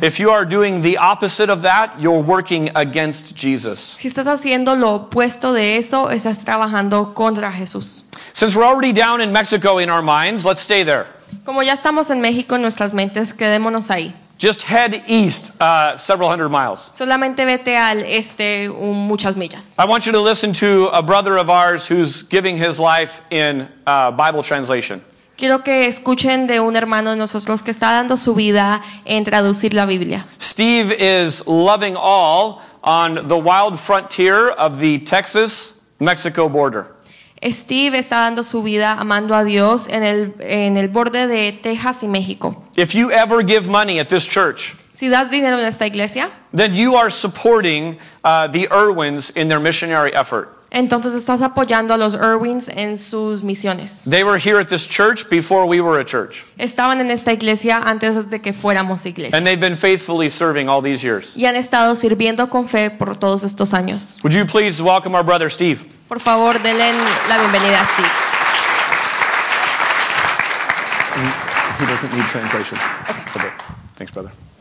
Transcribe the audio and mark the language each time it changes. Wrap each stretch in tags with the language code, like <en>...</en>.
<en>If you are doing the opposite of that, you're working against Jesus.</en> <es>Si estás haciendo lo opuesto de eso, estás trabajando contra Jesús.</es> <en>Since we're already down in Mexico in our minds, let's stay there.</en> <es>Como ya estamos en México en nuestras mentes, quedémonos ahí.</es> <en>Just head east several hundred miles.</en> <es>Solamente vete al este muchas millas.</es> <en>I want you to listen to a brother of ours who's giving his life in Bible translation.</en> <es>Quiero que escuchen de un hermano de nosotros que está dando su vida en traducir la Biblia.</es> <en>Steve is loving all on the wild frontier of the Texas-Mexico border.</en> <es>Steve está dando su vida amando a Dios en el borde de Texas y México.</es> <en>If you ever give money at this church,</en> <es>si das dinero en esta iglesia,</es> <en>then you are supporting the Irwins in their missionary effort.</en> <es>Entonces estás apoyando a los Irwins en sus misiones.</es> <en>They were here at this church before we were a church.</en> <es>Estaban en esta iglesia antes de que fuéramos iglesia.</es> <en>And they've been faithfully serving all these years.</en> <es>Y han estado sirviendo con fe por todos estos años.</es> <en>Would you please welcome our brother Steve?</en> <es>Por favor, denle la bienvenida a Steve.</es> <en>He doesn't need translation. Okay. Thanks, brother.</en>